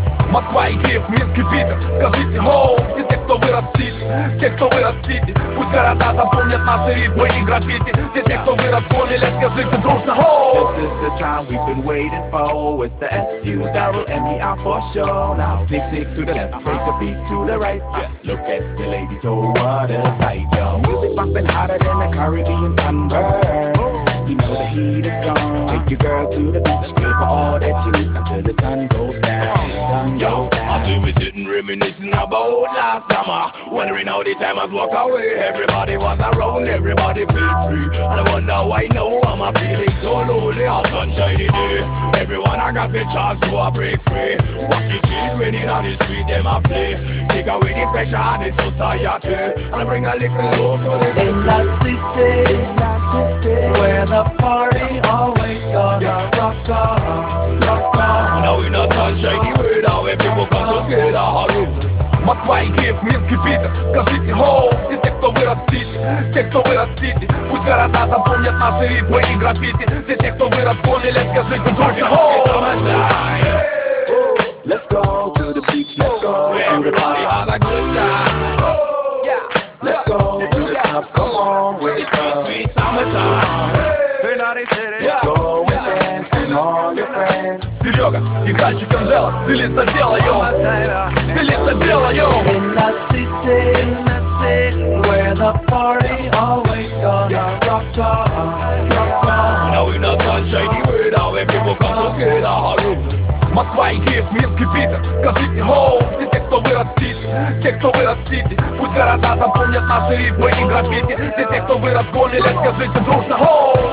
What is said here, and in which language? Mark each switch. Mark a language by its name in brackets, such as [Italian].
[Russian] Москва и Киев, Минск и Питер. Скажите, хоу, все те, кто вырос в Сити. Те, кто вырос в Сити. Пусть города запомнят наши ритмы и граффити. Все те, кто вырос в Гомеле, скажите, дружно, хоу. [English] This is the time we've been waiting for. It's the S-U-M-E-R for sure. Now sneak, sneak to the left, take a beat to the right. Look at the ladies, oh, what a sight, yo. Music popping hotter than the Caribbean thunder. You know the heat is gone. Take your girl to the beach. Give her all that you need until the sun goes down. The sun goes down. I do be sitting reminiscing about last summer. Wondering how the time has walked away. Everybody was around, everybody feel free. And I wonder why now I'm feeling so lonely. A sunshiny day. Everyone, I got the chance to break free. Watch the children in on the street, them a play. Take away the pressure of the society. And I bring a little love to the city. In the city. Where the party always gonna rock on, rock on. Now in a sunshiny weather, where people come together hugging. [Russian] Москва и Киев, Минск и Питер. Скажите, хоу, все те, кто вырос в Сити. Те, кто вырос в Сити. Пусть города запомнят наши ритмы и граффити. Все те, кто вырос в Гомеле, скажите, дружно, хоу. [English] It's summertime. Let's go to the beach, let's go. Everybody has a good time. Let's go to the top, come on, wake up. It's the sweet summertime. Let's go and dance and all your friends. [Russian] Серега, играющий Кандела, ты лица делаем. Ты лица делаем. [English] In the city, in the city, where the party always gonna rock on, rock on. Now in a sunshiny weather, where people come together hugging. [Russian] Москва и Киев, Минск и Питер. Скажите, хоу, все те, кто вырос в Сити. Те, кто вырос в Сити. Пусть города запомнят наши ритмы и граффити. Все те, кто вырос в Гомеле, скажите дружно, хоу.